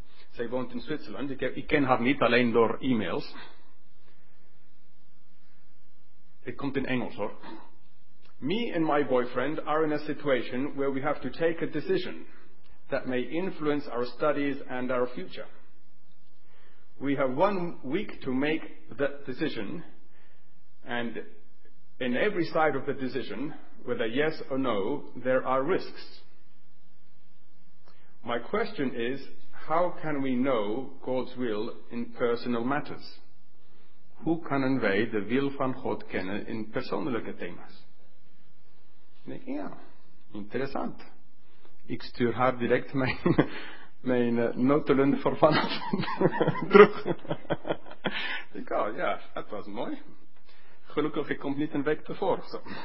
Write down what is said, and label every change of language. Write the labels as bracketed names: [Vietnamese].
[Dutch] Zij woont in Zwitserland, ik ken haar niet alleen door e-mails. [English] It comes in English, [Dutch] hoor. [English] Me and my boyfriend are in a situation where we have to take a decision that may influence our studies and our future. We have 1 week to make that decision, and in every side of the decision, whether yes or no, there are risks. My question is, how can we know God's will in personal matters? [Dutch] Hoe kunnen wij de wil van God kennen in persoonlijke thema's? Ik denk, ja, interessant. Ik stuur haar direct mijn notulen voor vanavond terug. Ik dacht, ja, dat was mooi. Gelukkig, ik kom niet een week tevoren. Zo.